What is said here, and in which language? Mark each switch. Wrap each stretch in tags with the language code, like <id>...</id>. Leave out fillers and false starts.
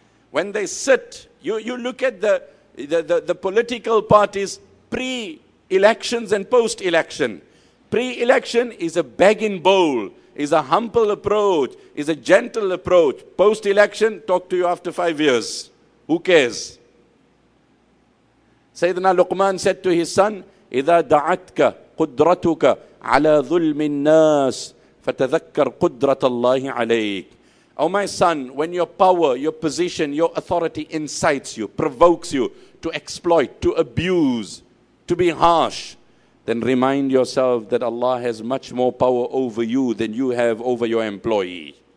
<en>When they sit, you look at the political parties pre-elections and post-election. Pre-election is a begging bowl, is a humble approach, is a gentle approach. Post-election, talk to you after 5 years. Who cares? Sayyidina Luqman said to his son,</en> <ar>إِذَا دَعَتْكَ قُدْرَتُكَ عَلَى ظُلْمِ النَّاسِ فَتَذَكَّرْ قُدْرَةَ اللَّهِ عَلَيْكَ.</ar> <en>Oh my son, when your power, your position, your authority incites you, provokes you to exploit, to abuse, to be harsh, then remind yourself that Allah has much more power over you than you have over your employee.</en>